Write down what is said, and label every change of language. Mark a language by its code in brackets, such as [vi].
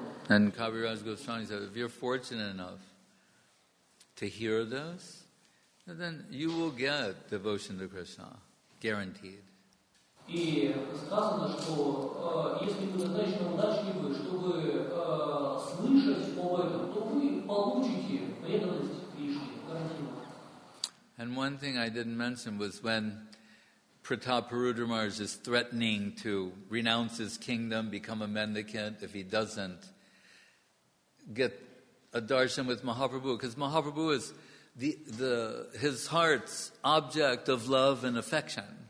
[en] And Kaviraj Goswami said, if you're fortunate enough to hear this, then you will get devotion to Krishna, guaranteed. [ru] И сказано, что если вы достаточно удачливы, чтобы слышать об этом, то вы получите преданность Кришне, гарантированно. [en] And one thing I didn't mention was when Pratapa Rudra Maharaj is threatening to renounce his kingdom, become a mendicant, if he doesn't get a darshan with Mahaprabhu. Because Mahaprabhu is his heart's object of love and affection.